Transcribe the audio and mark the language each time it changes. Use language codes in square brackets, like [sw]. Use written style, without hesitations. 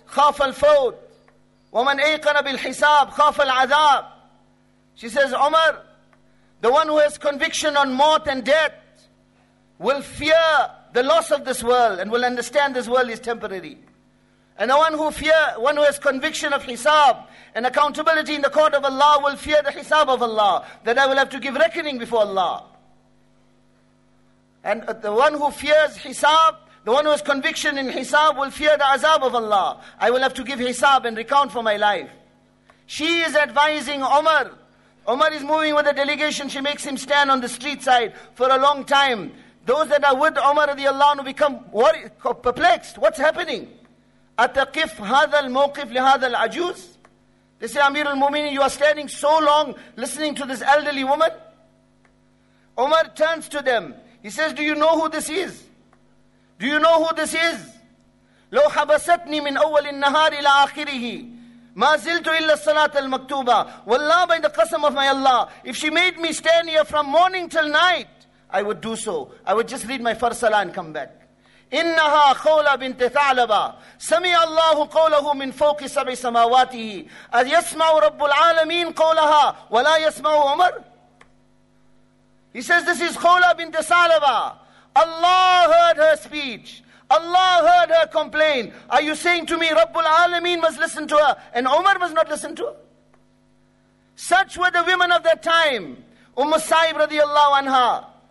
[ar] خاف الفوت ومن ايقن بالحساب خاف العذاب. [en] She says, Umar, the one who has conviction on mort and death will fear the loss of this world and will understand this world is temporary. And the one who has conviction of hisab and accountability in the court of Allah will fear the hisab of Allah, that I will have to give reckoning before Allah. And the one who fears hisab, the one who has conviction in hisab will fear the azab of Allah. I will have to give hisab and recount for my life. She is advising Umar. Umar is moving with a delegation. She makes him stand on the street side for a long time. Those that are with Umar radiallahu anhu become worried, perplexed. What's happening? [ar] Ataqif hadha al-mawqif li hadha al-ajuz? [en] They say, Amir al-Mumineen, you are standing so long listening to this elderly woman. Umar turns to them. He says, do you know who this is? Do you know who this is? [ar] لو حبستني من أول النهار إلى آخره ما زلت إلا الصلاة المكتوبة. [en] والله by the قسم of my Allah, if she made me stand here from morning till night, I would do so. I would just read my first salah and come back. [ar] إنها خولة بنت ثعلبة سمع الله قوله من فوق سبع سماواته أذ يسمع رب العالمين قولها ولا يسمع عمر. [en] He says, this is خولة بنت ثعلبة. Allah heard her speech. Allah heard her complain. Are you saying to me, Rabbul Alameen must listen to her and Umar must not listen to her? Such were the women of that time. Umm Saib radiallahu anha.